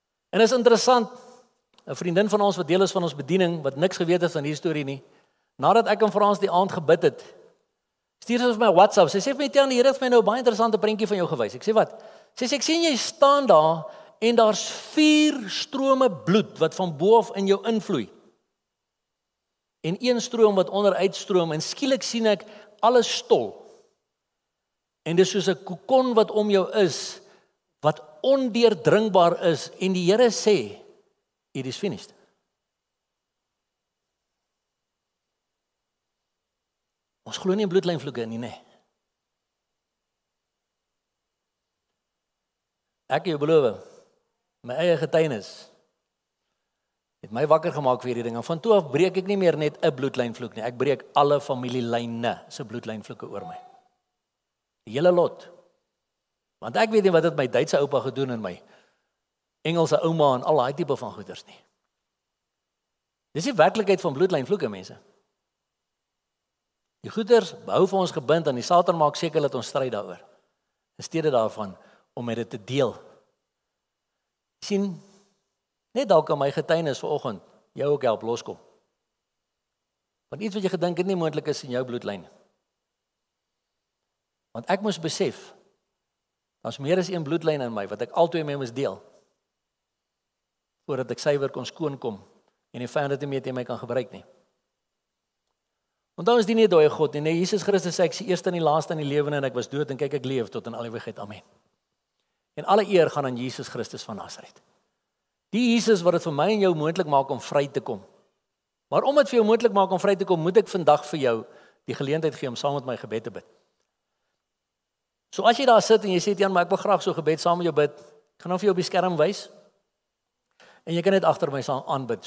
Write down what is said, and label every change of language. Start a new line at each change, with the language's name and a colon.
Afrikaans: En is interessant, 'n vriendin van ons, wat deel is van ons bediening, wat niks geweet is van die story nie, nadat ek en Frans die aand gebid het, stuur sy vir my WhatsApp, sy sê vir my, Tian, hier het my nou baie interessante prentjie van jou gewys. Ek sê, wat? Sy sê, ek sien jy staan daar, en daar's 4 strome bloed, wat van boof in jou invloei. En een stroom wat onderuit stroom, en skielik sien ek alles stol. En dis soos 'n kokon wat om jou is, wat ondeurdringbaar is, en die Here sê,
English: it is finished.
Afrikaans: Ons glo nie in bloedlynvloeke nie, nee. Ek jou beloof, my eie getuienis, het my wakker gemaak vir hierdie ding, en van toe af breek ek nie meer net 'n bloedlynvloek nie, ek breek alle familielyne se bloedlynvloeke oor my. Die hele lot. Want ek weet nie wat het my Duitse oupa gedoen en my Engelse ouma en al die tipe van goeders nie. Dis die werklikheid van bloedlyn vloeke, mense. Die goeders behou vir ons gebind en die Satan maak seker dat ons stry daaroor. In steede daarvan om met dit te deel. Sien, net dalk in my getuienis vanoggend, jou ook help loskom. Want iets wat jy gedink het nie moontlik is in jou bloedlyn. Want ek moes besef, daar's meer as een bloedlyn in my wat ek altyd mee moes deel. Voordat ek suiwer kon skoon kom en die vyand het nie meer teen my kan gebruik nie. Want dan is die nie dooie God nie, Jesus Christus sê ek is die eerste en die laaste in die lewende en ek was dood en kyk ek leef tot in alle ewigheid, amen. En alle eer gaan aan Jesus Christus van Nazareth. Die Jesus wat het vir my en jou moontlik maak om vry te kom. Maar om het vir jou moontlik maak om vry te kom, moet ek vandag vir jou die geleentheid gee om saam met my gebed te bid. So as jy daar sit en jy sê, Jan, maar ek wil graag so gebed saam met jou bid, ek gaan nou vir jou op die skerm wys, en jy kan net achter my aanbid.